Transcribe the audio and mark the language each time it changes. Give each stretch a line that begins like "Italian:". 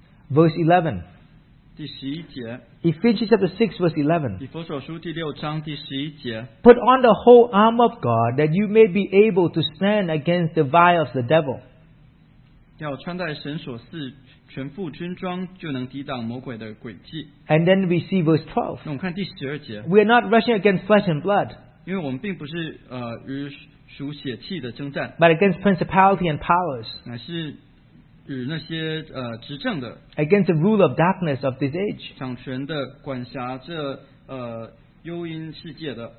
English: Verse 11 Ephesians chapter 6 verse 11 Put on the whole armor of God that you may be able to stand against the wiles of the devil.
Chinese: 要穿戴神所赐全副军装就能抵挡魔鬼的诡计。
English: And then we see verse 12.
Chinese: 那我们看第12节。
English: We are not rushing against flesh and blood.
Chinese: 因为我们并不是, 与属血气的征战,
English: but against principality and powers.
Chinese: 乃是与那些, 执政的,
English: against the rule of darkness of this age.
Chinese: 掌权的管辖这, 幽阴世界的,